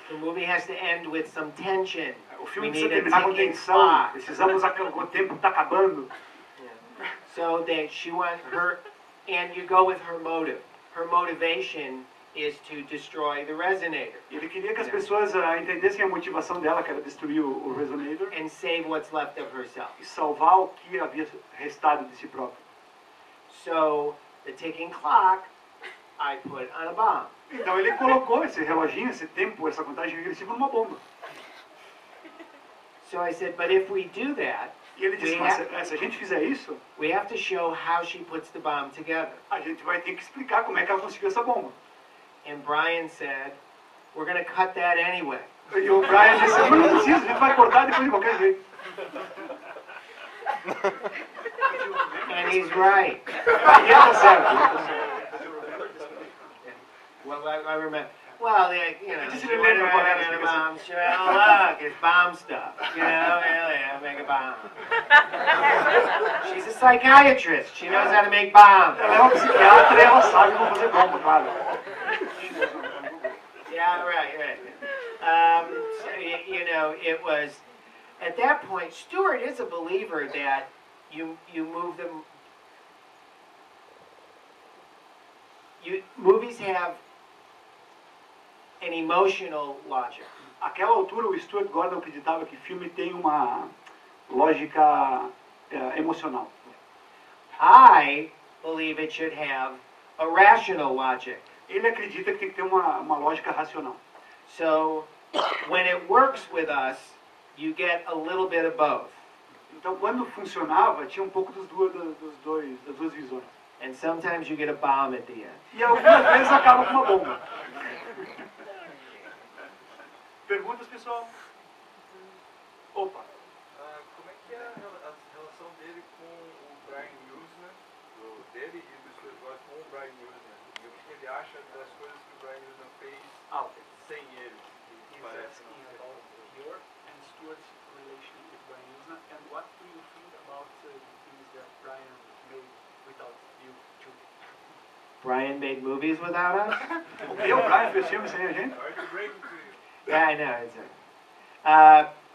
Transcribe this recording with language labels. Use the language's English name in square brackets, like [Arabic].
[English] The movie has to end with some tension. [Portuguese] O filme precisa terminar com tensão. Precisamos, o tempo está acabando. [English] So that she went, her, and you go with her motive. Her motivation is to destroy the resonator. [Portuguese] Ele queria que as pessoas entendessem a motivação dela, que era destruir o resonator. [English] And save what's left of herself. [Portuguese] E salvar o que havia restado de si próprio. [English] So, the ticking clock, I put on a bomb. [Portuguese] Então ele colocou esse reloginho, esse tempo, essa contagem regressiva numa bomba. [English] So I said, but if we do that, [Portuguese] e ele disse, mas se a gente fizer isso, [English] we have to show how she puts the bomb together. [Portuguese] A gente vai ter que explicar como é que ela conseguiu essa bomba. [English] And Brian said, we're going to cut that anyway. [Portuguese] E o Brian disse, mas não precisa, a gente vai cortar depois de qualquer jeito. [English] And he's right. [Portuguese] E ele está certo. [English] I remember. Well, they, you know, she went around in a bombshell. Look, it's bomb stuff. You know, really, I make a bomb. She's a psychiatrist. She knows how to make bombs. [Portuguese] Ela é uma psiquiatra e ela sabe como fazer bomba, claro. [English] Yeah, right. So, you know, it was, at that point, Stuart is a believer that you move them. Movies have an emotional logic. [Portuguese] Àquela altura, o Stuart Gordon acreditava que filme tem uma lógica emocional. [English] I believe it should have a rational logic. [Portuguese] Ele acredita que tem que ter uma lógica racional. [English] So, when it works with us, you get a little bit of both. [Portuguese] Então, quando funcionava, tinha um pouco das duas visões. [English] And sometimes you get a bomb at the end. [Portuguese] E algumas vezes acaba com uma bomba. Perguntas, pessoal? Opa! Como é que é a relação dele com o Brian Usna? Dele e do Stuart Gordon com o Brian Usna? E o que ele acha das coisas que o Brian Usna fez sem ele? [English] He's asking about your and Stuart's relation with Brian Usna. And what do you think about the things that Brian made without you two? Brian made movies without us? [Portuguese] O Brian fez filmes sem a gente? [English] Yeah, I know.